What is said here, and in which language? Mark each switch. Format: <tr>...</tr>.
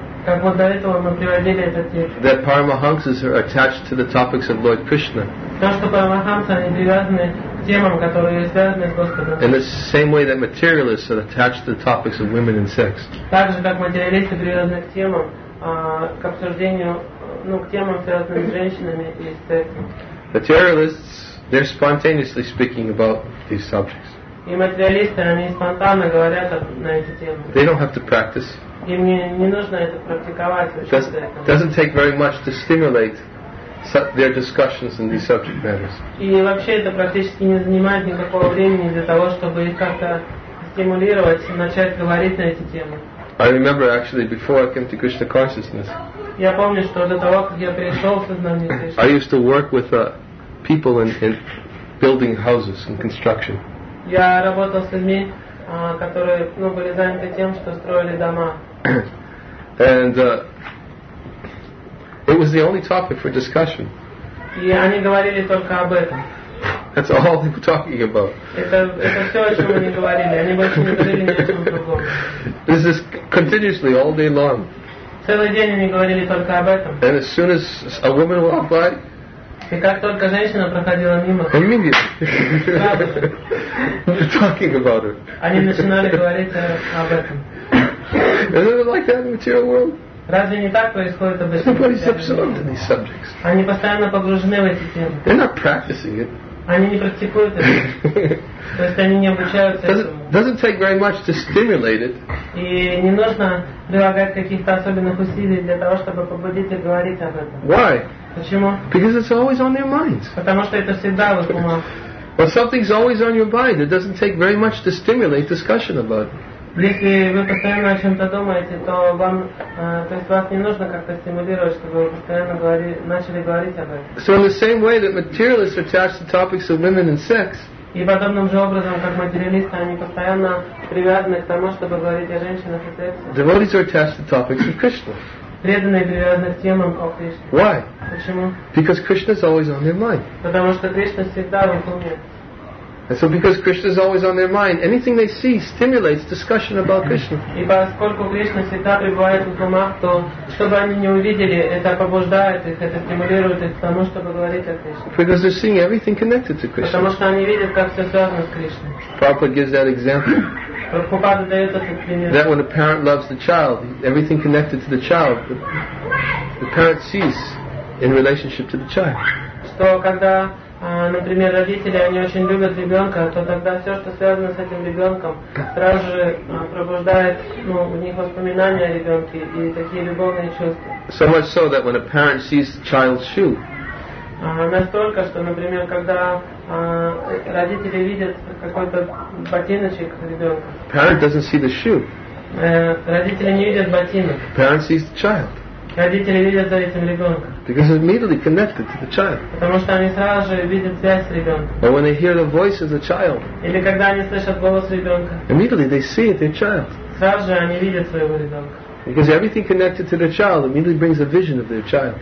<ru>Как вот до этого мы приводили этот текст.</ru> <en>That paramahamsas are attached to the topics of Lord Krishna.</en> <ru>То, что парамахамсы, они привязаны к темам, которые связаны с Господом.</ru> <en>In the same way that materialists are attached to the topics of women and sex.</en> <ru>Так же, как материалисты привязаны к темам, к обсуждению, ну, к темам, связанным с женщинами и с сексом.</ru> <en>Materialists, they're spontaneously speaking about these subjects.</en> <ru>И материалисты, они спонтанно говорят на эти темы.</ru> <en>They don't have to practice.</en> <ru>Им не нужно это практиковать.</ru> <en>It doesn't take very much to stimulate their discussions in these subject matters.</en> <ru>И вообще это практически не занимает никакого времени для того, чтобы их как-то стимулировать, начать говорить на эти темы.</ru> <en>I remember actually before I came to Krishna consciousness.</en> <ru>Я помню, что до того, как я пришел в сознание Кришны.</ru> <en>I used to work with people in building houses and construction.</en> <ru>Я работал с людьми, которые, ну, были заняты тем, что строили дома.</ru> <en>And it was the only topic for discussion.</en> <ru>И они говорили только об этом.</ru> <en>That's all they were talking about.</en> <ru>Это все, о чем они говорили. Они больше не говорили ни о чем другом.</ru> <en>This is continuously all day long.</en> <ru>Целый день они говорили только об этом.</ru> <en>And as soon as a woman walked by.</en> <ru>И как только женщина проходила мимо.</ru> <en>Immediately. Talking about her.</en> <ru>Они начинали говорить об этом.</ru> <en>Is it like that in the material world?</en> <ru>Разве не так происходит обычно?</ru> <en>Everybody's absorbed in these subjects.</en> <ru>Они постоянно погружены в эти темы.</ru> <en>They're not practicing it.</en> <ru>Они не практикуют это. То есть они не обучаются этому.</ru> <en>Doesn't take very much to stimulate it.</en> <ru>И не нужно прилагать каких-то особенных усилий для того, чтобы побудить их говорить об этом.</ru> <en>Why?</en> <ru>Почему?</ru> <en>Because it's always on their minds.</en> <ru>Потому что это всегда в их умах.</ru> <en>Well, something's always on your mind. It doesn't take very much to stimulate discussion about it.</en> <ru>Если вы постоянно о чем-то думаете, то вам, то есть вас не нужно как-то стимулировать, чтобы вы постоянно начали говорить об этом.</ru> <en>So in the same way that materialists attach the topics of women and sex.</en> <ru>И подобным же образом, как материалисты, они постоянно привязаны к тому, чтобы говорить о женщинах и сексе.</ru> <en>Devotees are attached to topics of Krishna.</en> <ru>Преданные привязаны к темам о Кришне.</ru> <en>Why?</en> <ru>Почему?</ru> <en>Because Krishna is always on their mind.</en> <ru>Потому что Кришна всегда в их уме.</ru> <en>And so because Krishna is always on their mind, anything they see stimulates discussion about Krishna.</en> <ru>И поскольку Кришна всегда пребывает в умах, то что бы они ни увидели, это побуждает их, это стимулирует их к тому, чтобы говорить о Кришне.</ru> <en>Because they're seeing everything connected to Krishna.</en> <ru>Потому что они видят, как все связано с Кришной.</ru> <en>Prabhupada gives that example.</en> <ru>Прабхупада даёт этот пример.</ru> <en>That when a parent loves the child, everything connected to the child, the parent sees in relationship to the child.</en> <ru>Что когда например, родители, они очень любят ребенка, то тогда все, что связано с этим ребенком, сразу же пробуждает ну, в них воспоминания о ребенке и такие любовные чувства.</ru> <en>So much so that when a parent sees the child's shoe.</en> <ru>Настолько, что, например, когда родители видят какой-то ботиночек ребенка.</ru> <en>Parent doesn't see the shoe.</en> <ru>Родители не видят ботинок.</ru> <en>Parent sees the child.</en> <ru>Родители видят за этим ребенка.</ru> <en>Because it's immediately connected to the child.</en> <ru>Потому что они сразу же видят связь с ребенком.</ru> <en>Or when they hear the voice of the child.</en> <ru>Или когда они слышат голос ребенка.</ru> <en>Immediately they see their child.</en> <ru>Сразу же они видят своего ребенка.</ru> <en>Because everything connected to the child immediately brings a vision of their child.</en>